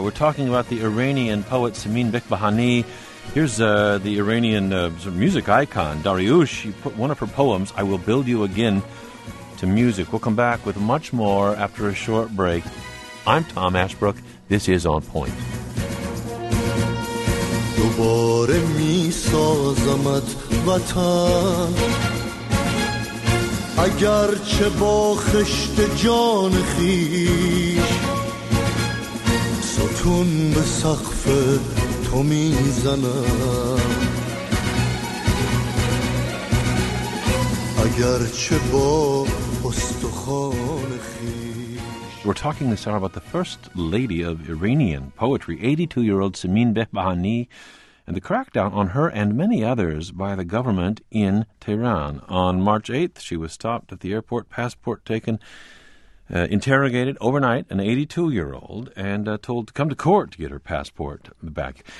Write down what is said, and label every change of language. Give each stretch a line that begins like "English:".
English: We're talking about the Iranian poet Simin Behbahani. Here's the Iranian music icon, Dariush. She put one of her poems, I Will Build You Again, to music. We'll come back with much more after a short break. I'm Tom Ashbrook. This is On Point.
Persian: دوباره می سازمت وطن اگرچه با خشت جان خیش ستون به سقف تو می زنم اگرچه با استخوان خیش.
English: We're talking this hour about the first lady of Iranian poetry, 82-year-old Simin Behbahani, and the crackdown on her and many others by the government in Tehran. On March 8th, she was stopped at the airport, passport taken, interrogated overnight, an 82-year-old, and told to come to court to get her passport back.